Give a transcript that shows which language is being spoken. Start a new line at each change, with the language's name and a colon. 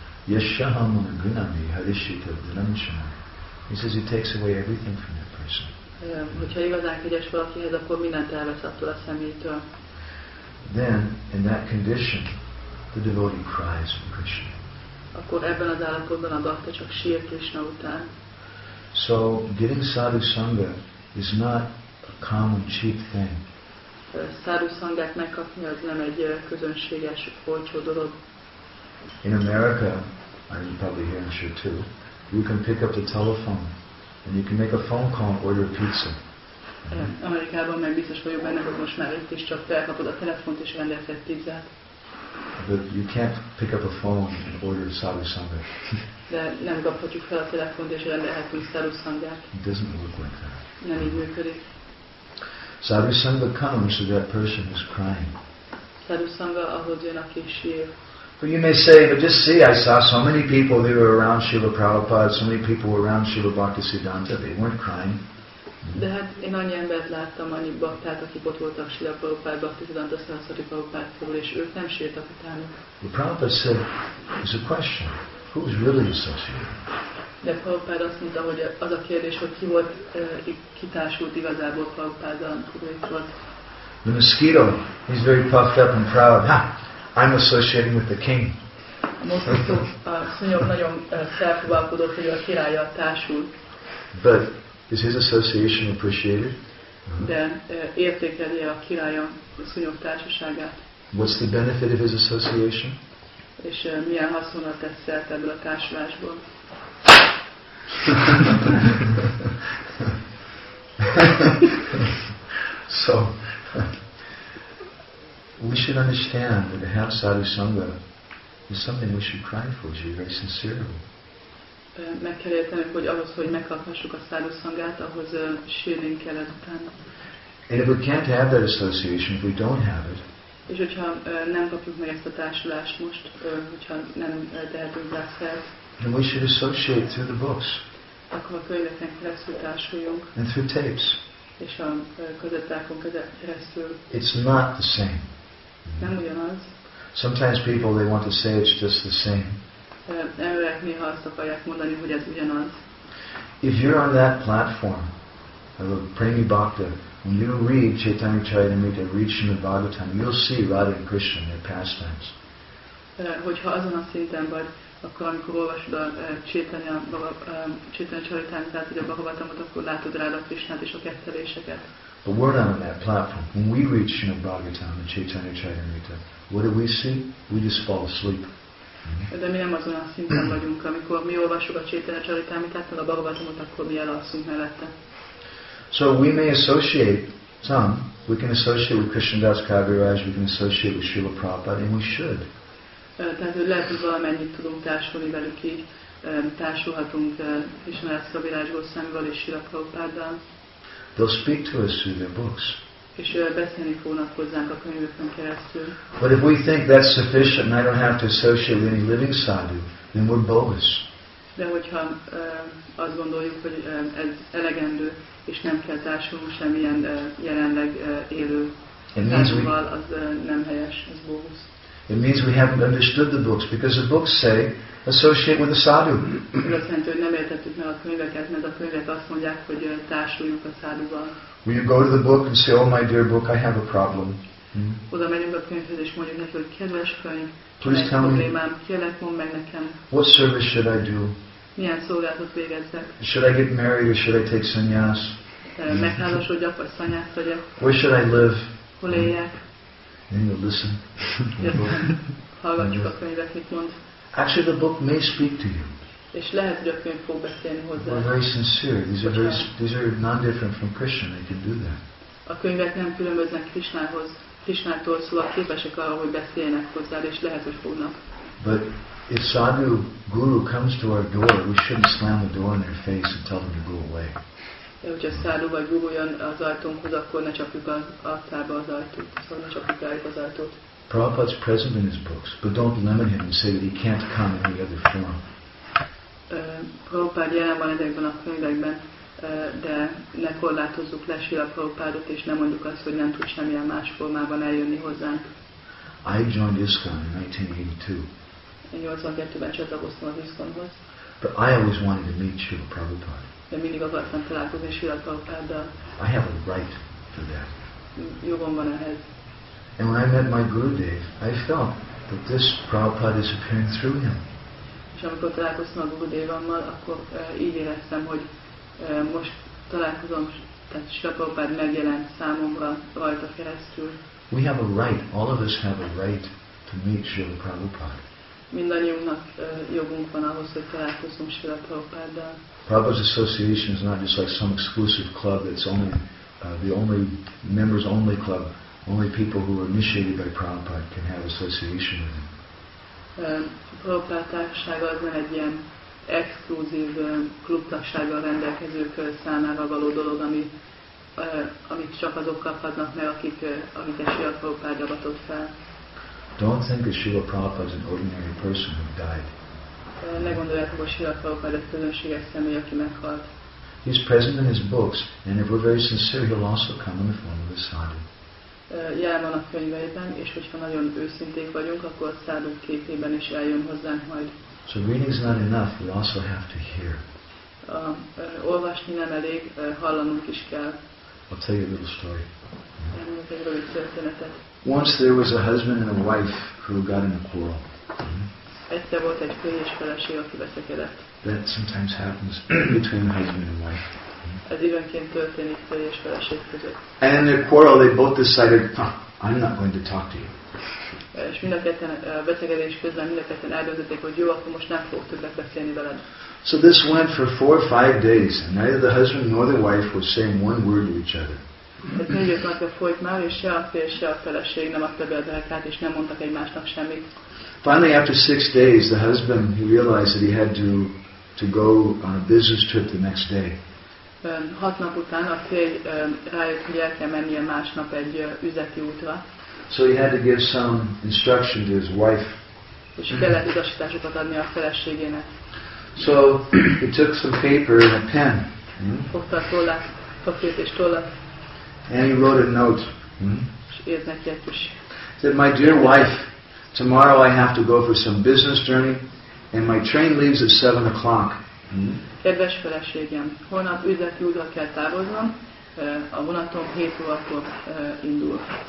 Sanskrit: Yashaha muna gunami harishita dhanamshana.
English: He says he takes away everything from that person.
Hungarian: Hogyha igazán kegyes valakihez, akkor mindent elvesz attól a személytől.
English: Then, in that condition, the devotee cries for Krishna.
Hungarian: Akkor ebben az állapotban a bhakta csak sír Krishna után.
English: So getting sadhu sangha is not a common cheap thing.
Hungarian: Sadhu sanghát megkapni az nem egy közönséges olcsó dolog.
English: In America, and you probably here, I'm sure too, you can pick up the telephone and you can make a phone call and order a pizza.
Hungarian: Amerikában meg biztos vagyok benne, hogy most már itt is csak felkapod a telefont és rendelsz egy pizzát.
English: But you can't pick up a phone and order sadhu sangha.
Hungarian: De nem kaphatjuk fel a telefont és rendelhetünk sadhu sanghát.
English: It doesn't work like that.
Hungarian: Nem így működik.
English: Sadhu sangha comes to that person who's crying.
Hungarian: Sadhu sangha ahhoz jön, aki sír.
English: But you may say, but just see, I saw so many people who were around Srila Prabhupada, so many people were around Srila Bhaktisiddhanta, they weren't crying.
Hungarian: De hát én annyi embert láttam, annyi baktát, akik ott voltak Srila Prabhupada, Bhaktisiddhanta Saraswati Prabhupada körül, és ők nem sírtak utána.
English: The Prabhupada said, it's a question. Who is really associated?
Hungarian: De Prabhupada azt mondta, hogy az a kérdés, hogy ki volt, kitársult igazából Prabhupada, akkor itt volt.
English: The mosquito, he's very puffed up and proud. Ha, I'm associating with the king.
Hungarian: A mosquito, a szúnyog nagyon felpróbálkodott, hogy a királlyal társult.
English: But is his association appreciated?
Hungarian: De értékeli a királya a szúnyog társaságát.
English: What's the benefit of his association?
Hungarian: És milyen haszonat tesz szert ebből a társulásból?
English: So, we should understand that to have sadhu sangha is something we should cry for, to be very sincere.
Hungarian: Meg kell értenünk, hogy ahhoz, hogy megkaphassuk a sadhu sanghát, ahhoz sírnünk kell ezután.
English: And if we can't have that association, if we don't have it,
Hungarian: és hogyha nem kapjuk meg ezt a társulást most, hogyha nem tehetünk rá fel,
English: then we should associate through the books.
Hungarian: Akkor a könyveken keresztül társuljunk.
English: And through tapes.
Hungarian: És a kazettákon keresztül.
English: It's not the same.
Hungarian: Nem ugyanaz.
English: Sometimes people, they want to say it's just the same.
Hungarian: Emberek néha azt akarják mondani, hogy ez ugyanaz.
English: If you're on that platform of a Premi Bhakta, when you read Chaitanya Charitamrita, read Srimad Bhagavatam, you'll see Radha and Krishna in their pastimes.
Hungarian: Hogyha azon a szinten vagy, akkor amikor olvasod a Chaitanya Charitamritát, vagy a Bhagavatamot, akkor látod Radha Krishnát és a ketteléseket.
English: But we're not on that platform. When we read Srimad Bhagavatam and Chaitanya Charitamrita, what do we see? We just fall asleep.
Hungarian: De mi nem azon a szinten vagyunk, amikor mi olvasjuk a Chaitanya Charitamritát, a Bhagavatamot, akkor mi elalszunk mellette.
English: So we may associate some. We can associate with Krishna Das Kaviraj. We can associate with Srila Prabhupada, and we should.
Hungarian: Tehát lehet, hogy valamennyit tudunk társulni velük így. Társulhatunk Krishna Das Kaviraj Gosvamival és Srila Prabhupada.
English: They'll speak to us through their books.
Hungarian: És beszélni fognak hozzánk a könyvükön keresztül.
English: But if we think that's sufficient and I don't have to associate with any living sadhu, then we're bogus.
Hungarian: De hogyha azt gondoljuk, hogy ez elegendő, és nem kell társulnunk semmilyen jelenleg élő sadhuval, az nem helyes, az bogus.
English: It means we haven't understood the books, because the books say associate with the sadhu.
Hungarian: Azt nem értettük meg a könyveket, mert a könyvek azt mondják, hogy társuljunk a sadhuval.
English: Will you go to the book and say, oh my dear book, I have a problem.
Hungarian: Oda megyünk a könyvhöz és mondjuk neki, hogy kedves könyv,
English: please tell
Hungarian: problémám,
English: me,
Hungarian: kérlek, mondd meg nekem.
English: What service should I do?
Hungarian: Milyen szolgálatot végezzek?
English: Should I get married or should I take sannyász?
Hungarian: Megházasodjak vagy sannyász vagyok?
English: Where should I live?
Hungarian: Hol éljek?
English: Then you'll listen.
Hungarian: Hallgatjuk a könyvet, mit mond.
English: Actually, the book may speak to you.
Hungarian: És lehet, hogy a könyv fog beszélni hozzá.
English: They're very sincere. These are non-different from Krishna. They can do that.
Hungarian: A könyvek nem különböznek Krishnához. Krishnától szóval képesek arra, hogy beszéljenek hozzá, és lehet, hogy fognak.
English: But if sadhu guru comes to our door, we shouldn't slam the door in their face and tell them to go away.
Hungarian: De hogyha sadhu vagy guru jön az ajtónkhoz, akkor ne csapjuk az arcába az ajtót. Szóval ne csapjuk rájuk az ajtót.
English: Prabhupada's present in his books, but don't limit him and say that he can't come in any other form.
Hungarian: Prabhupada jelen van ezekben a könyvekben, de ne korlátozzuk le Srila Prabhupádot, és ne mondjuk azt, hogy nem tud semmilyen más formában eljönni hozzánk.
English: I joined ISKCON in 1982.
Hungarian: Én 82-ben csatlakoztam az ISKCON-hoz.
English: But I always wanted to meet Srila Prabhupada.
Hungarian: De mindig akartam találkozni Srila Prabhupáddal.
English: I have a right to that.
Hungarian: Jogom van ehhez.
English: And when I met my Gurudev, I felt that this Prabhupada is appearing through him.
Hungarian: És amikor találkoztam a Gurudevammal, akkor így éreztem, hogy most találkozom, tehát Srila Prabhupada megjelent számomra rajta keresztül.
English: We have a right, all of us have a right to meet Srila Prabhupada.
Hungarian: Mindannyiunknak jogunk van ahhoz, hogy találkozzunk Srila Prabhupáddal.
English: Prabhupada's association is not just like some exclusive club, it's only the only members only club. Only people who are initiated by Prabhupada can have association with him.
Hungarian: Prabhupada társasága az nem egy ilyen exkluzív klubtagsággal rendelkezők számára való dolog, amit csak azok kaphatnak meg, amit a Srila Prabhupada javatott fel.
English: Don't think that Srila Prabhupada is an ordinary person who died.
Hungarian: Ne gondoljátok, hogy Srila Prabhupada egy közönséges személy, aki meghalt.
English: He's present in his books, and if we're very sincere, he'll also come in the form of a sadhu.
Hungarian: Jelen van a könyveiben, és hogyha nagyon őszinték vagyunk, akkor sadhu képében is eljön hozzánk majd.
English: So reading is not enough, we also have to hear.
Hungarian: Olvasni nem elég, hallanunk is kell.
English: I'll tell you a little story.
Hungarian: Elmondok egy rövid történetet.
English: Once there was a husband and a wife who got in a quarrel.
Hungarian: Egyszer volt egy férj és feleség, aki veszekedett.
English: That sometimes happens between husband and wife.
Hungarian: Ez időnként történik férj és feleség között.
English: And in their quarrel, they both decided, I'm not going to talk to you.
Hungarian: És mind a ketten veszekedés közben mind a ketten eldöntötték, hogy jó, akkor most nem fogok többet beszélni veled.
English: So this went for 4 or 5 days, and neither the husband nor the wife was saying one word to each other.
Hungarian: Ez 4-5 napja folyt már, és se a férj, se a feleség nem adta be a derekát, és nem mondtak egymásnak semmit.
English: Finally, after 6 days, the husband he realized that he had to go on a business trip the next day.
Hungarian: 6 nap után a férj rájött, hogy el kell mennie másnap egy üzleti útra.
English: So he had to give some instruction to his wife.
Hungarian: És kellett utasításokat adni a feleségének.
English: So he took some paper and a pen.
Hungarian: Fogta a tollat, papírt és tollat.
English: And he wrote a note.
Hungarian: És írt neki egy kis.
English: Said, my dear wife. Tomorrow I have to go for some business journey, and my train leaves at 7 o'clock.
Hungarian: Kedves feleségem, holnap üzleti útra kell távoznom, a vonatom 7 órakor indul.